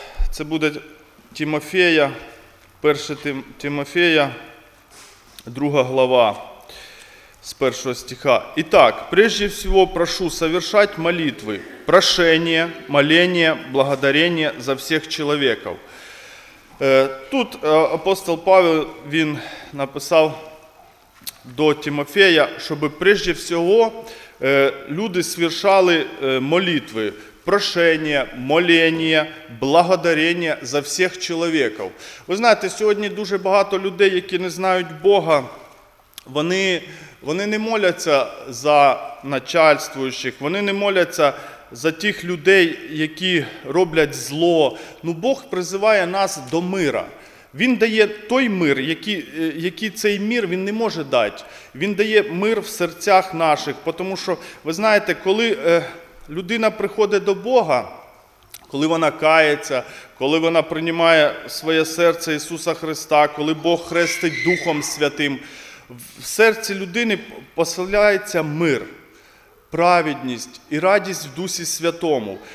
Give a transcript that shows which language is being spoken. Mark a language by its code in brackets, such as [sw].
[uk] Це буде Тимофія, 1 Тимофія, 2 глава. [ru] С 1 стиха. «Итак, прежде всего прошу совершать молитвы, прошения, моления, благодарения за всех человеков». Тут апостол Павел, [uk] він [ru] написал до Тимофея, чтобы прежде всего люди совершали молитвы, прошения, моления, благодарения за всех человеков. Вы знаете, сегодня очень много людей, которые не знают Бога, [uk] вони не моляться за начальствуючих, вони не моляться за тих людей, які роблять зло. Ну, Бог призиває нас до мира. Він дає той мир, який цей мир він не може дати. Він дає мир в серцях наших. Тому що, ви знаєте, коли людина приходить до Бога, коли вона кається, коли вона приймає своє серце Ісуса Христа, коли Бог хрестить Духом Святим, в серці людини поселяється мир, праведність і радість в Дусі Святому.